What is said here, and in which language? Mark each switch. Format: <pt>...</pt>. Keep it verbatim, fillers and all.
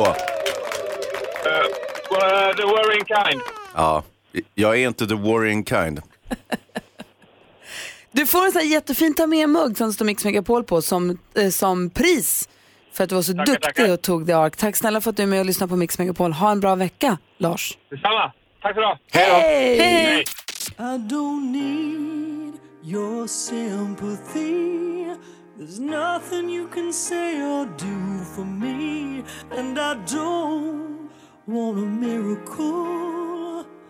<en>Uh, well, the Warring Kind.</en> <sv>Ja. Jag är inte</sv> <en>the worrying kind.</en> <sv>Du får en sån här jättefin ta med mugg som står Mix Megapol på som, eh, som pris för att du var så tackar, duktig tackar. Och tog The Ark. Tack snälla för att du är med och lyssnar på Mix Megapol. Ha en bra vecka, Lars. Detsamma. Tack för idag. Hej! Hej! Hej! Hej!</sv> <en>I don't need your sympathy. There's nothing you can say or do for me. And I don't want a miracle.</en>